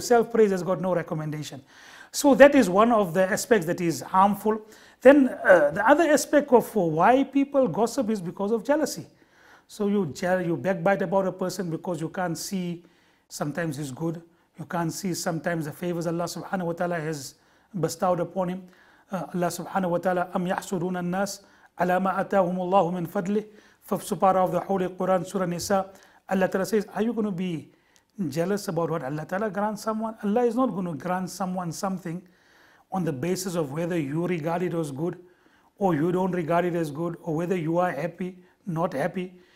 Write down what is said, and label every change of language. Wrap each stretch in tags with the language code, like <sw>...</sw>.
<en>Self-praise has got no recommendation. So that is one of the aspects that is harmful. Then the other aspect of why people gossip is because of jealousy. So you backbite about a person because you can't see sometimes his good. You can't see sometimes the favors Allah subhanahu wa ta'ala has bestowed upon him.</en> <ar>Allah subhanahu wa ta'ala, أَمْ يَحْسُدُونَ النَّاسِ عَلَى مَا أَتَاهُمُ اللَّهُ مِنْ فَضْلِهِ. فَبْسُ</ar> <en>part of the Holy Quran, Surah Nisa, Allah ta'ala says, are you going to be jealous about what Allah ta'ala grants someone? Allah is not going to grant someone something on the basis of whether you regard it as good or you don't regard it as good, or whether you are happy, not happy.</en>